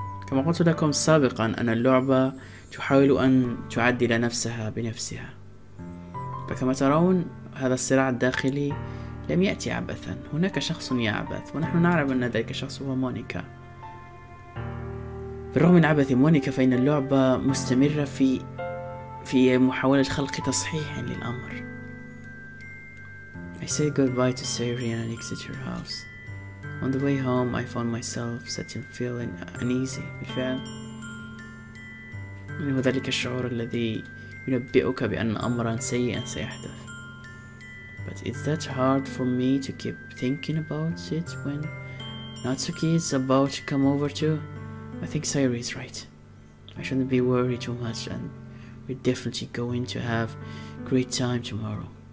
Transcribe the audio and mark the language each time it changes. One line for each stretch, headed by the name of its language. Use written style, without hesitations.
Arabic: كما قلت لكم سابقا أن اللعبة تحاول أن تعدل نفسها بنفسها، فكما ترون هذا الصراع الداخلي لم يأتي عبثا. هناك شخص يعبث، ونحن نعرف أن ذلك الشخص هو مونيكا. بالرغم من عبث مونيكا، فإن اللعبة مستمرة في محاولة خلق تصحيح للأمر.
English: I said goodbye to Sarah and exit her house. On the way home, I found myself sitting feeling uneasy.
Arabic: بالفعل إنه ذلك الشعور الذي ينبئك بأن أمرا سيئا سيحدث.
English: But is that hard for me to keep thinking about it when Natsuki is about to come over too? I think Sayori is right. I shouldn't be worried too much, and we're definitely going to have a great time tomorrow.